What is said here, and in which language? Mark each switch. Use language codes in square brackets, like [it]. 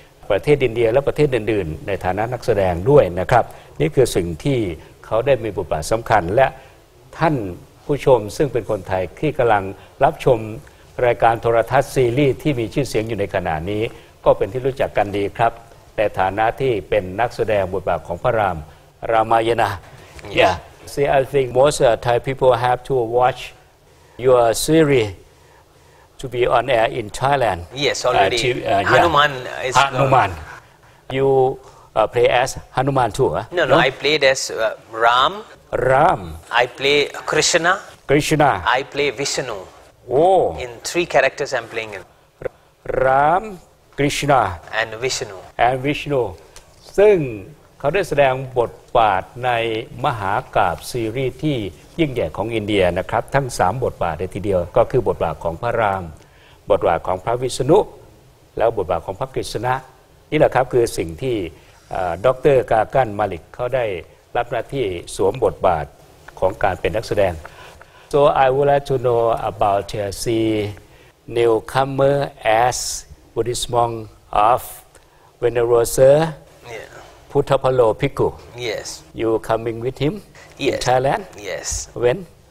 [th] ประเทศอินเดียและประเทศอื่นๆในฐานะนักแสดงด้วยนะครับนี่คือสิ่งที่เขาได้มีบทบาทสำคัญและท่านผู้ชมซึ่งเป็นคนไทยที่กำลังรับชมรายการโทรทัศน์ซีรีส์ที่มีชื่อเสียงอยู่ในขณะนี้ก็เป็นที่รู้จักกันดีครับในฐานะที่เป็นนักแสดงบทบาทของพระรามรามายณะ [en] Yeah See I think most Thai people have to watch your series to be on air in Thailand Yes already Hanuman is Hanuman You play as Hanuman too No I played as Ram Ram I play Krishna Krishna I play Vishnu Oh In three characters I'm playing in Ram Krishna and Vishnu and Vishnu [th] ซึ่งเขาได้แสดงบทบาทในมหากาพย์ซีรีส์ที่ยิ่งใหญ่ของอินเดียนะครับทั้ง3บทบาทในทีเดียวก็คือบทบาทของพระรามบทบาทของพระวิษณุแล้วบทบาทของพระกฤษณะนี่แหละครับคือสิ่งที่ดร. กากัน มาลิกเขาได้รับหน้าที่สวมบทบาทของการเป็นนักแสดง [en] So I would like to know about the newcomer as Buddhist monk of Venerosa, Puttaparo Bhikkhu. Yes. You coming with him? Yes. In Thailand? Yes. When?